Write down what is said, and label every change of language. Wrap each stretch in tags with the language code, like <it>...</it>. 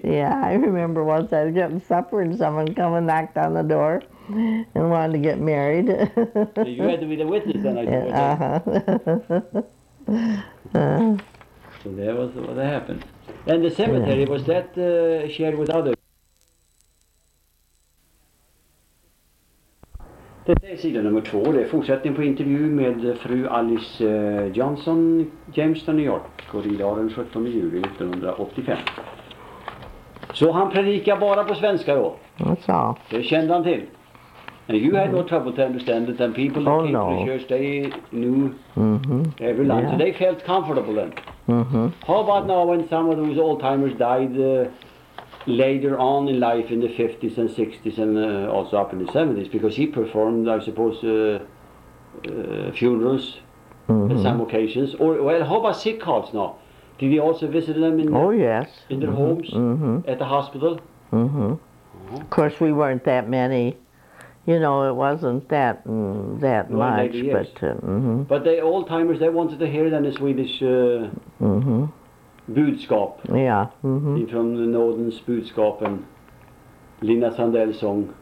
<en>Yeah, I remember once I was getting supper and someone come and knocked on the door and wanted to get married. So you had to be the witness then, I suppose. Uh-huh. So that was what happened. And the cemetery, was that shared with others?</en> <sv>Det är sida nummer två, det är fortsättning på intervju med fru Alice Johnson, Jamestown, New York, och det är den 17 juli 1985. Så han predikar bara på svenska då?</sv> <en>That's all.</en> <sv>Det kände han till.</sv> <en>And you had no trouble to understand it, and people that came to the church, they knew every line, so they felt comfortable then. Mm-hmm. How about now when some of those old-timers died later on in life, in the 50s and 60s and also up in the 70s, because he performed, I suppose, funerals at some occasions. Or, well, how about sick calls now? Did he also visit them in in their homes, at the hospital? Of course, we weren't that many. You know, it wasn't that much, but... But the old-timers, they wanted to hear then the Swedish...</en> <sv>budskap.</sv> <en>Yeah.</en> <sv>Från Nordens budskap, en Lina Sandells sång.</sv>